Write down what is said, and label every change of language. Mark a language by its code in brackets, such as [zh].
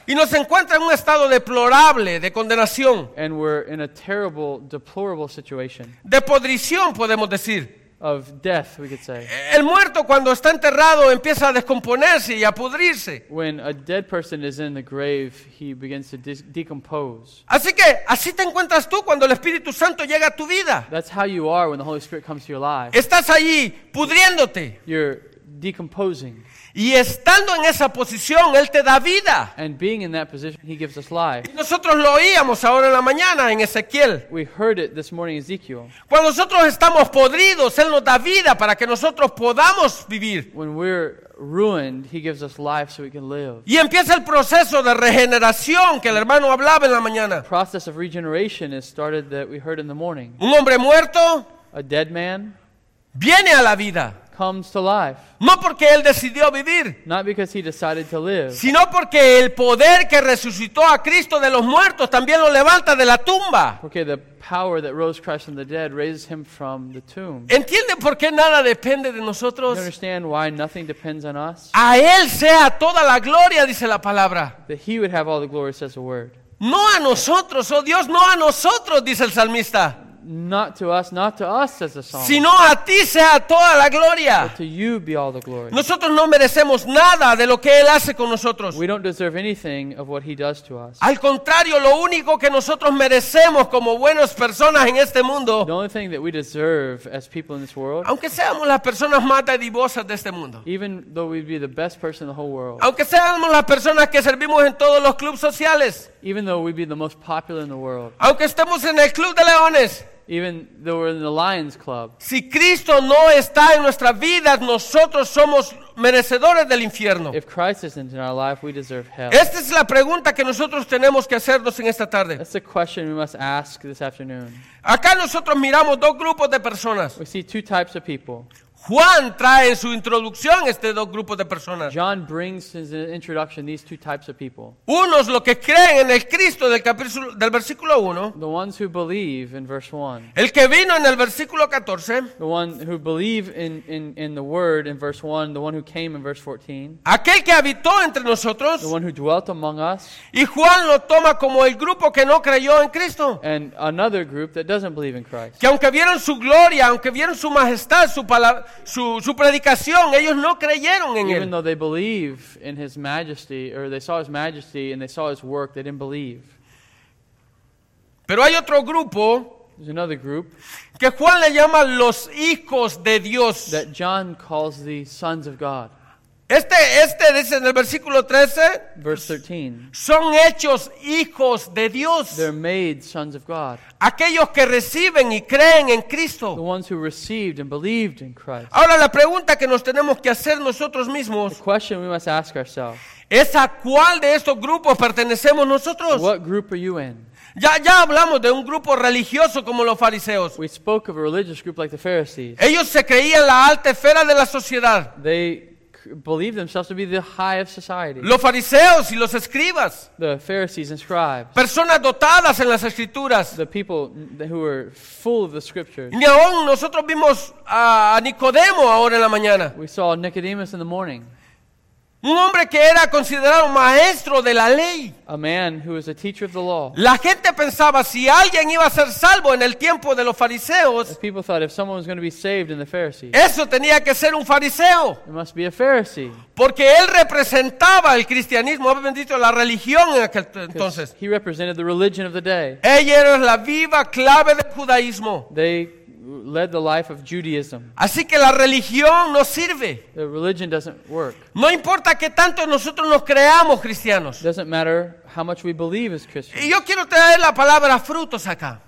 [es] Y nos encuentra en un estado deplorable, de condenación. [en] And we're in a terrible, deplorable situation. [es] De podrición, podemos decir. [en] Of death, we could say. [es] El muerto cuando está enterrado empieza a descomponerse y a pudrirse. [en] When a dead person is in the grave, he begins to decompose. [es] Así que así te encuentras tú cuando el Espíritu Santo llega a tu vida. [en] That's how you are when the Holy Spirit comes to your life. [es] Estás allí pudriéndote. [en] You're decomposing. [es] Y estando en esa posición, él te da vida. [en] And being in that position, he gives us life. [es] Y nosotros lo oíamos ahora en la mañana en Ezequiel. [en] We heard it this morning, Ezekiel. [es] Cuando nosotros estamos podridos, él nos da vida para que nosotros podamos vivir. [en] When we're ruined, he gives us life so we can live. [es] Y empieza el proceso de regeneración que el hermano hablaba en la mañana. [en] The process of regeneration is started that we heard in the morning. [es] Un hombre muerto, [en] a dead man, [es] viene a la vida. [en] Comes to life. [es] No porque él decidió vivir. [en] Not because he decided to live. [es] Sino porque el poder que resucitó a Cristo de los muertos también lo levanta de la tumba. [en] Okay, the power that rose Christ from the dead raises him from the tomb. [es] ¿Entiende por qué nada depende de nosotros? [en] You understand why nothing depends on us? [es] A él sea toda la gloria, dice la palabra. [en] That he would have all the glory, says the word. [es] No a nosotros, oh Dios, no a nosotros, dice el salmista. [en] Not to us, not to us, says the psalm. [es] Sino a ti sea toda la gloria. [en] But to you be all the glory. [es] Nosotros no merecemos nada de lo que él hace con nosotros. [en] We don't deserve anything of what he does to us. [es] Al contrario, lo único que nosotros merecemos como buenas personas en este mundo. [en] The only thing that we deserve as people in this world. [es] Aunque seamos las personas más dadivosas de este mundo. [en] Even though we'd be the best person in the whole world. [es] Aunque seamos las personas que servimos en todos los clubs sociales. [en] Even though we'd be the most popular in the world. [es] Aunque estemos en el club de leones. [en] Even though we're in the Lions Club. [es] Si Cristo no está en nuestras vidas, nosotros somos merecedores del infierno. [en] If Christ isn't in our life, we deserve hell. [es] Esta es la pregunta que nosotros tenemos que hacernos en esta tarde. [en] That's the question we must ask this afternoon. [es] Acá nosotros miramos dos grupos de personas. [en] We see two types of people. [es] Juan trae en su introducción este dos grupos de personas. [en] John brings in his introduction these two types of people. [es] Unos los que creen en el Cristo del versículo 1. [en] The ones who believe in verse 1. [es] El que vino en el versículo 14. [en] The one who believe in the word in verse 1. The one who came in verse 14. [es] Aquel que habitó entre nosotros. [en] The one who dwelt among us. [es] Y Juan lo toma como el grupo que no creyó en Cristo. [en] And another group that doesn't believe in Christ. [es] Que aunque vieron su gloria, aunque vieron su majestad, su palabra, su predicación, ellos no creyeron en [en] even [es] él. [en] Though they believe in his majesty, or they saw his majesty and they saw his work, they didn't believe. [es] Pero hay otro grupo. [en] There's another group [es] que Juan le llama los hijos de Dios. [en] That John calls the sons of God. [es] Este dice en el versículo 13, [en] verse 13, [es] son hechos hijos de Dios. [en] They're made sons of God. [es] Aquellos que reciben y creen en Cristo. [en] The ones who received and believed in Christ. [es] Ahora la pregunta que nos tenemos que hacer nosotros mismos. [en] The question we must ask ourselves. [es] ¿Es a cuál de estos grupos pertenecemos nosotros? [en] What group are you in? [es] Ya hablamos de un grupo religioso como los fariseos. [en] We spoke of a religious group like the Pharisees. [es] Ellos se creían la alta esfera de la sociedad. [en] They believe themselves to be the high of society. [es] Los fariseos y los escribas. [en] The Pharisees and scribes. [es] Personas dotadas en las escrituras. [en] The people who were full of the scriptures. [es] Ni aún nosotros vimos a Nicodemo ahora en la mañana. [en] We saw Nicodemus in the morning. [es] Un hombre que era considerado maestro de la ley. [en] A man who was a teacher of the law. [es] La gente pensaba si alguien iba a ser salvo en el tiempo de los fariseos. [en] The people thought if someone was going to be saved in the Pharisees. [es] Eso tenía que ser un fariseo. [en] It must be a Pharisee. [es] Porque él representaba el cristianismo, bendito la religión en aquel entonces. [en] He represented the religion of the day. [es] Ella era la viva clave del judaísmo. [en] They led the life of Judaism. [es] Así que la religión no sirve. [en] The religion doesn't work. [es] No importa qué tanto nosotros nos creamos cristianos. [en] It doesn't matter how much we believe as Christians. [es] Y yo quiero traer la palabra frutos acá.